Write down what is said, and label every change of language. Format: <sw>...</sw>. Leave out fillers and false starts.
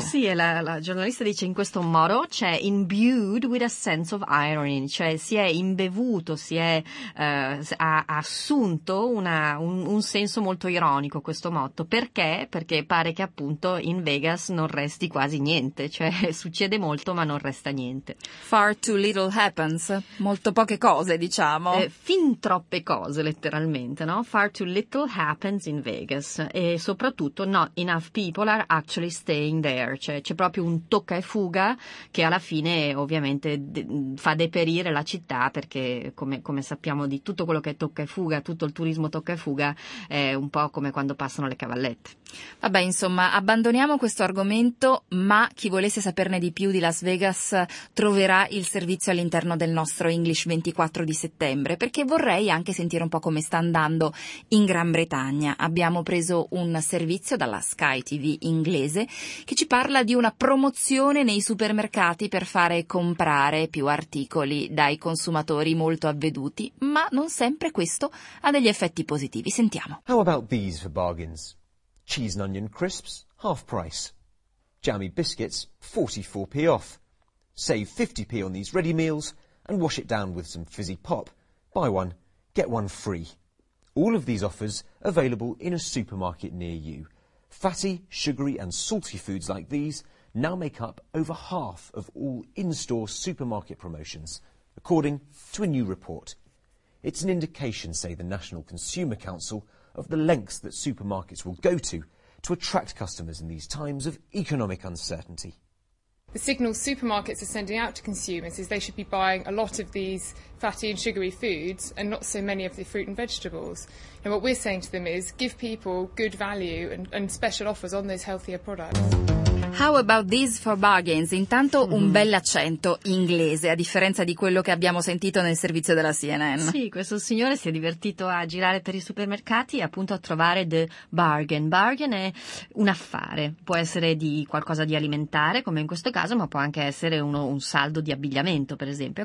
<it>Sì, e la giornalista dice in questo modo, cioè</it> <en>imbued with a sense of irony,</en> <it>cioè si è imbevuto, ha assunto un senso molto ironico questo motto. Perché? Perché pare che appunto in Vegas non resti quasi niente, cioè succede molto ma non resta niente.</it> <en>Far too little happens,</en> <it>molto poche cose diciamo. Fin troppe cose letteralmente, no?</it> <en>Far too little happens in Vegas,</en> <it>e soprattutto</it> <en>not enough people are actually staying there.</en> <it>Cioè c'è proprio un tocca e fuga che alla fine ovviamente fa deperire la città, perché come sappiamo di tutto quello che è tocca e fuga, tutto il turismo tocca e fuga, è un po' come quando passano le cavallette. Vabbè, insomma, abbandoniamo questo argomento, ma chi volesse saperne di più di Las Vegas troverà il servizio all'interno del nostro English 24 di settembre, perché vorrei anche sentire un po' come sta andando in Gran Bretagna. Abbiamo preso un servizio dalla Sky TV inglese che ci parla di una promozione nei supermercati per fare comprare più articoli dai consumatori molto avveduti, ma non sempre questo ha degli effetti positivi. Sentiamo.</it> <en>How about these for bargains? Cheese and onion crisps, half price. Jammy biscuits, 44p off. Save 50p on these ready meals and wash it down with some fizzy pop. Buy one, get one free. All of these offers available in a supermarket near you. Fatty, sugary and salty foods like these now make up over half of all in-store supermarket promotions, according to a new report. It's an indication, say the National Consumer Council, of the lengths that supermarkets will go to attract customers in these times of economic uncertainty. The signal supermarkets are sending out to consumers is they should be buying a lot of these fatty and sugary foods and not so many of the fruit and vegetables. And what we're saying to them is give people good value and special offers on those healthier products. How about these for bargains?</en> <it>Intanto un bell'accento inglese, a differenza di quello che abbiamo sentito nel servizio della CNN. Sì, questo signore si è divertito a girare per i supermercati e appunto a trovare the bargain. Bargain è un affare, può essere di qualcosa di alimentare, come in questo caso, ma può anche essere un saldo di abbigliamento, per esempio.</it>